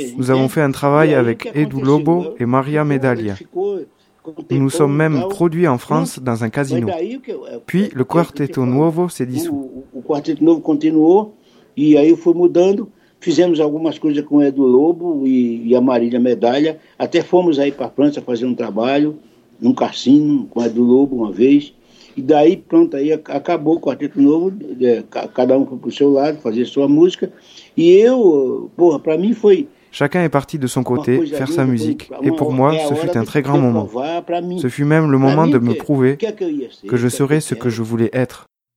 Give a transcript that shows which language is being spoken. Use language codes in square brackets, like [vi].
[fr] Nous avons fait un travail avec Edu Lobo et Maria Medaglia. Nous nous sommes même produits en France dans un casino. Puis le Quarteto Nuovo s'est dissous. [pt] O Quarteto Nuovo continuou e aí foi mudando. Fizemos algumas coisas com Edu Lobo e a Maria Medaglia. Até fomos aí para a França fazer um trabalho num cassino com Edu Lobo uma vez. E daí, pronto, aí acabou o Quarteto Novo, cada um foi pro seu lado fazer sua música. E eu, porra, para mim foi... [fr] Chacun est parti de son côté faire sa musique. Et pour moi, ce fut un très grand moment. Ce fut même le moment de me prouver que je serais ce que je voulais être.